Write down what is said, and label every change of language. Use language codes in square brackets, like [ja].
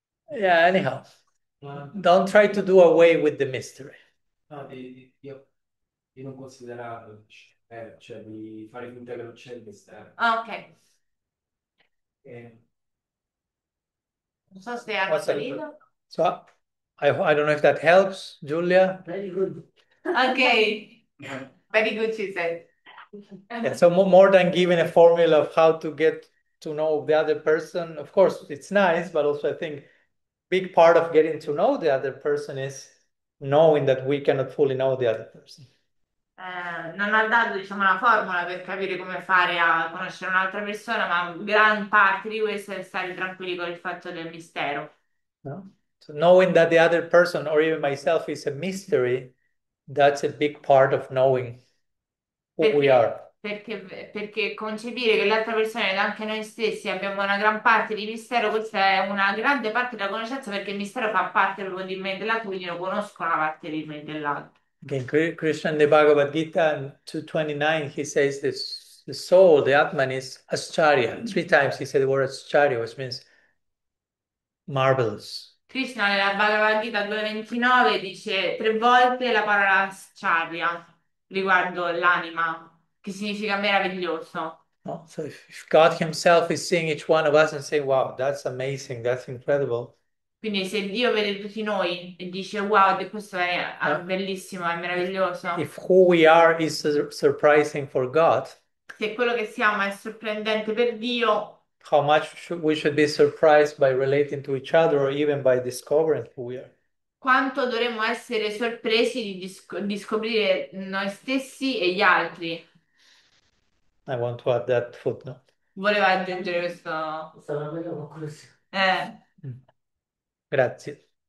[en] Yeah, anyhow, don't try to do away with the mystery. [it] No, io non considero, cioè di fare finta che non c'è il mistero. Ok. Non so se ha [en] What's up? [it] capito. [en] So I don't know if that helps, Giulia. Very good. Ok. Yeah. Very good, she said. Yeah, so more than giving a formula of how to get to know the other person, of course, it's nice, but also I think big part of getting to know the other person is knowing that we cannot fully know the other person. [it] Non ha dato, diciamo, una formula per capire come fare a conoscere un'altra persona, ma gran parte di questo è stare tranquilli con il fatto del mistero. [en] No? So knowing that the other person or even myself is a mystery, that's a big part of knowing who we [it] Perché? [en] are. [it] Perché concepire che l'altra persona ed anche noi stessi abbiamo una gran parte di mistero, questa è una grande parte della conoscenza perché il mistero fa parte proprio di me e dell'altro, quindi lo conosco una parte di me e dell'altro. [en] In Krishna in the Bhagavad Gita 2:29, he says this, the soul, the Atman, is Acharya. Three times he said the word Acharya, which means marvelous. [it] Krishna nella Bhagavad Gita 2.29 dice tre volte la parola Acharya riguardo l'anima, che significa meraviglioso. [en] No? So if God Himself is seeing each one of us and saying, wow, that's amazing, that's incredible. [it] Quindi se Dio vede tutti noi e dice wow, questo è [en] No? [it] bellissimo, è meraviglioso. [en] If who we are is surprising for God, [it] Se quello che siamo è sorprendente per Dio, [en] how much should we should be surprised by relating to each other or even by discovering who we are? [it] quanto dovremmo essere sorpresi di scoprire noi stessi e gli altri. [en] I want to add that footnote. [it] Voleva aggiungere questo. Sarà una bella conclusione. Grazie.